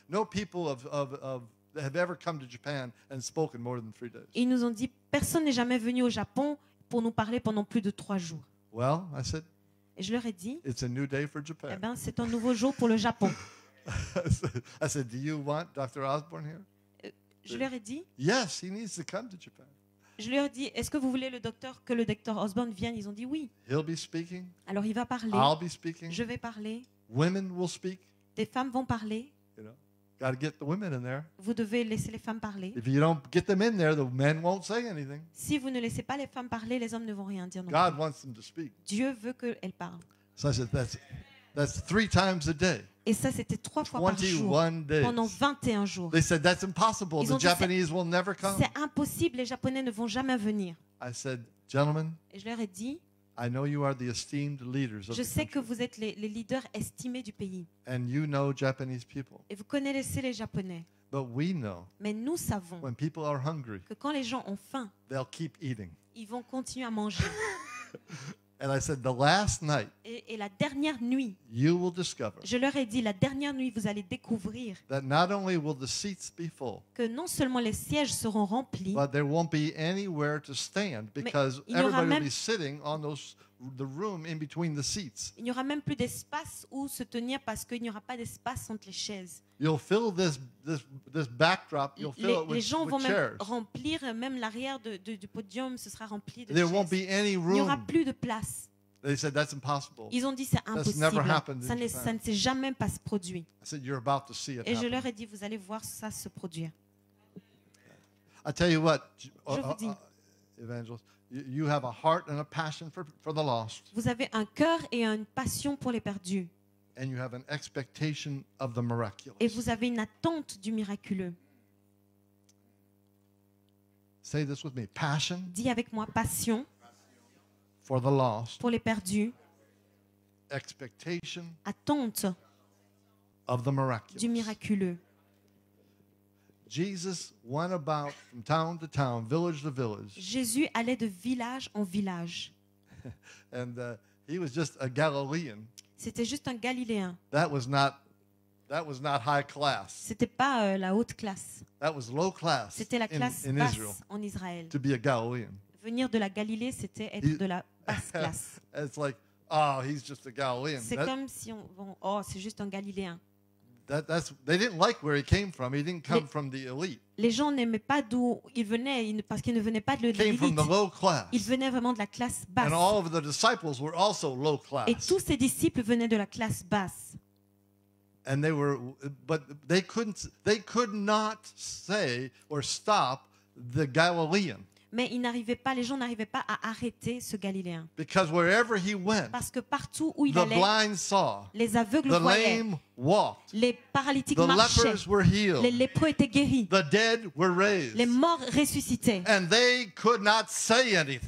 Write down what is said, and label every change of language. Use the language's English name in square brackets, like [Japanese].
[English] No people of have ever come to Japan and spoken more than 3 days. [French] Ils nous ont dit personne n'est jamais venu au Japon pour nous parler pendant plus de 3 jours. [English] Well, I said. [French] Et je leur ai dit. [English] It's a new day for Japan. [French] Eh ben, c'est un nouveau jour pour le Japon. [English] I said, do you want Dr. Osborne here? [French] Je leur ai dit. [English] Yes, he needs to come to Japan. [French] Je leur ai dit, est-ce que vous voulez que le docteur Osborne vienne? Ils ont dit oui. [English] He'll be speaking. [French] Alors il va parler. [English] I'll be speaking. [French] Je vais parler. [English] Women will speak. [French] Des femmes vont parler. [English] You know. Got to get the women in there. [French] Vous devez laisser les femmes parler. [English] If you don't get them in there, the men won't say anything. [French] Si vous ne laissez pas les femmes parler, les hommes ne vont rien dire. [English] God wants them to speak. [French] Dieu veut qu'elles parlent. [English] So I said, that's 3 times a day. [French] Et ça, c'était 3 fois par jour. [English] 21 days. [French] Pendant 21 jours. [English] They said, that's impossible. The Japanese will never come. [French] C'est impossible. Les Japonais ne vont jamais venir. [English] I said, gentlemen, [French] et je leur ai dit, [English] I know you are the esteemed leaders of [French] je sais que vous êtes les leaders estimés du pays. [English] And you know Japanese people. [French] Et vous connaissez les Japonais. [English] But we know [French] mais nous savons [English] when people are hungry, [French] que quand les gens ont faim, [English] they'll keep eating. [French] Ils vont continuer à manger. [English] And I said, the last night, [French] et la dernière nuit, [English] you will discover, [French] je leur ai dit, la dernière nuit, vous allez découvrir [English] that not only will the seats be full, [French] que non seulement les sièges seront remplis, [English] but there won't be anywhere to stand because everybody will be sitting on those the room in between the seats. [French] Il n'y aura même plus d'espace où se tenir parce qu'il n'y aura pas d'espace entre les chaises. [English] You'll fill this backdrop. You'll fill it with chairs. [French] Les gens vont même [English] chairs. [French] Remplir même l'arrière du podium. Ce sera rempli de [English] there [French] chaises. [English] There won't be any room. [French] Il n'y aura plus de place. [English] They said that's impossible. [French] Ils ont dit c'est impossible. [English] That's never happened [French] ça [English] in Japan. [French] Ça ne s'est jamais pas produit. [English] I said you're about to see it. [French] Et [English] happen. [French] Je leur ai dit vous allez voir ça se produire. [English] I tell you what. [French] Je vous dis. [English] Evangelist. You have a heart and a passion for the lost. [French] Vous avez un cœur et une passion pour les perdus. [English] And you have an expectation of the miraculous. [French] Et vous avez une attente du miraculeux. [English] Say this with me. Passion. [French] Dis avec moi passion. [English] For the lost. [French] Pour les perdus. [English] Expectation. [French] Attente. [English] Of the miraculous. [French] Du miraculeux. [English] Jesus went about from town to town, village to village. [French] Jésus allait de village en village. [English] And he was just a Galilean. [French] C'était juste un Galiléen. [English] That was not high class. [French] C'était pas la haute classe. [English] That was low class. [French] C'était la classe [English] in [French] basse [English] Israel, [French] en Israël. [English] To be a Galilean. [French] Venir de la Galilée, c'était être de la basse classe. [English] It's like, oh, he's just a Galilean. [French] C'est comme si on c'est juste un Galiléen. [English] That's they didn't like where he came from. He didn't come from the elite. [French] Les gens n'aimaient pas d'où il venait parce qu'il ne venait pas de l'élite. [English] Came from the low class. [French] Il venait vraiment de la classe basse. [English] And all of the disciples were also low class. [French] Et tous ses disciples venaient de la classe basse. [English] And they were, but they could not say or stop the Galilean. [French] Mais ils n'arrivaient pas, les gens n'arrivaient pas à arrêter ce Galiléen. [English] Because wherever he went, [French] parce que partout où il [English] the [French] allait, [English] blind saw, [French] les aveugles [English] the [French] voyaient, [English] lame walked, [French] les paralytiques [English] the [French] marchaient, [English] lepers were healed, [French] les lépreux étaient guéris, [English] the dead were raised, [French] les morts ressuscitaient. [English] And they could not say anything.